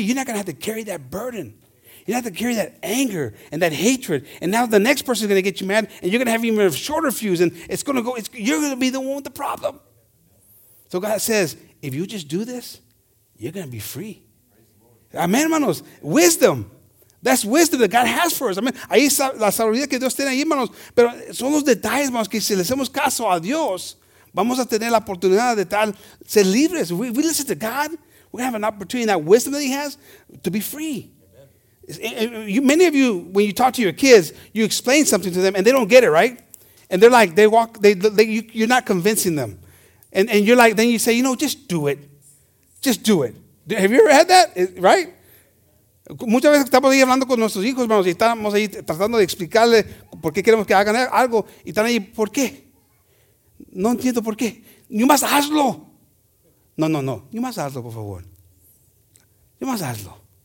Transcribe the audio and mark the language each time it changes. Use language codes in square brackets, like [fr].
[en] You're not going to have to carry that burden. You have to carry that anger and that hatred. And now the next person is going to get you mad, and you're going to have even a shorter fuse, and it's going to go, you're going to be the one with the problem. So God says, if you just do this, you're going to be free. Amen, hermanos. Wisdom. That's wisdom that God has for us. I mean, [es] ahí está la sabiduría que Dios tiene ahí, hermanos. Pero son los detalles, hermanos, que si le hacemos caso a Dios, vamos a tener la oportunidad de tal ser libres. [en] We listen to God, we're going to have an opportunity, that wisdom that he has, to be free. Many of you, when you talk to your kids, you explain something to them, and they don't get it, right? And they're like, you're not convincing them. And you're like, then you say, you know, just do it. Just do it. Have you ever had that? Right? [es] Muchas veces estamos ahí hablando con nuestros hijos, hermanos, y estamos ahí tratando de explicarles por qué queremos que hagan algo, y están ahí, ¿por qué? No entiendo por qué. [en] You must [es] hazlo. No. You must hazlo, por favor. You must hazlo.